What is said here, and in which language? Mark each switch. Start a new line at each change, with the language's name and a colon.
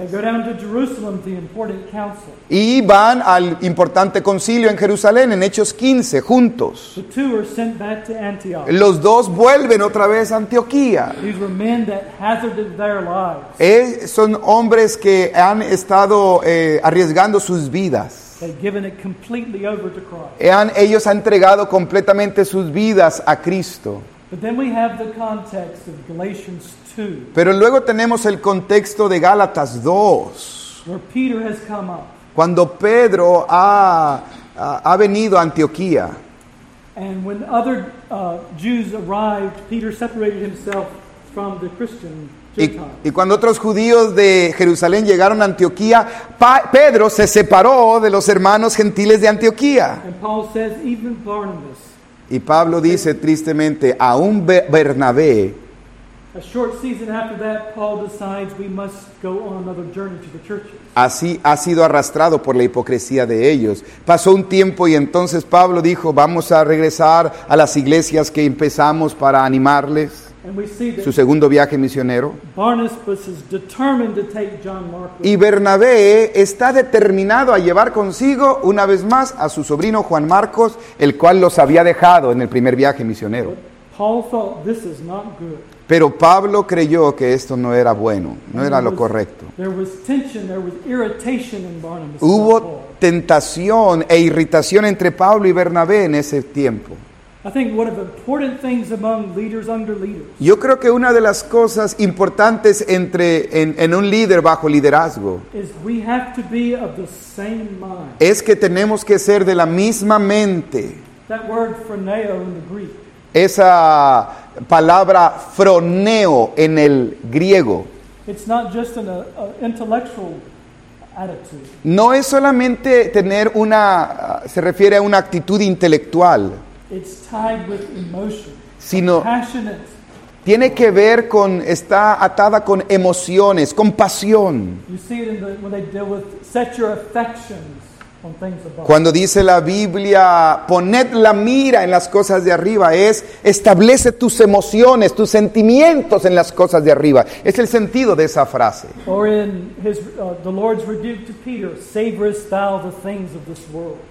English: They go down to Jerusalem, the important council.
Spanish: Y van al importante concilio en Jerusalén, en Hechos 15, juntos.
English: The two are sent back to Antioch.
Spanish: Los dos vuelven otra vez a Antioquía.
English: These were men that hazarded their lives.
Spanish: Son hombres que han estado arriesgando sus vidas.
English: They've given it completely over to Christ.
Spanish: Ellos han entregado completamente sus vidas a Cristo.
English: But then we have the context of Galatians 2.
Spanish: Pero luego tenemos el contexto de Gálatas 2.
English: Where Peter has come up.
Spanish: Cuando Pedro ha venido a Antioquía.
English: And when other Jews arrived, Peter separated himself from the Christian.
Spanish: Y cuando otros judíos de Jerusalén llegaron a Antioquía, Pedro se separó de los hermanos gentiles de Antioquía.
English: And Paul says, even Barnabas,
Spanish: y Pablo dice tristemente, aún Bernabé.
English: A short season after that, Paul decides we must go on another journey to the churches.
Spanish: Así ha sido arrastrado por la hipocresía de ellos. Pasó un tiempo y entonces Pablo dijo, vamos a regresar a las iglesias que empezamos para animarles.
English: And we see that
Spanish: su segundo viaje misionero.
English: Barnabas is determined to take John Mark.
Spanish: Y Bernabé está determinado a llevar consigo una vez más a su sobrino Juan Marcos, el cual los había dejado en el primer viaje misionero.
English: Paul thought this is not good.
Spanish: Pero Pablo creyó que esto no era bueno, no era lo correcto.
English: There was tension, there was irritation in Barnabas.
Spanish: Hubo tentación e irritación entre Pablo y Bernabé en ese tiempo.
English: I think one of the important things among leaders under leaders.
Spanish: Yo creo que una de las cosas importantes entre en un líder bajo liderazgo
English: is we have to be of the same mind.
Spanish: Es que tenemos que ser de la misma mente.
English: That word phroneo in the Greek.
Spanish: Esa palabra phroneo en el griego.
English: It's not just an intellectual attitude.
Spanish: No es solamente tener una se refiere a una actitud intelectual.
English: It's tied with emotion,
Spanish: sino
English: passionate.
Spanish: Tiene que ver con, está atada con emociones, con pasión.
English: You see it in the, when they deal with, set your affections on things above.
Spanish: Cuando dice la Biblia, poned la mira en las cosas de arriba, es establece tus emociones, tus sentimientos en las cosas de arriba. Es el sentido de esa frase.
English: Or in his, the Lord's rebuke to Peter, savorest thou the things of this world.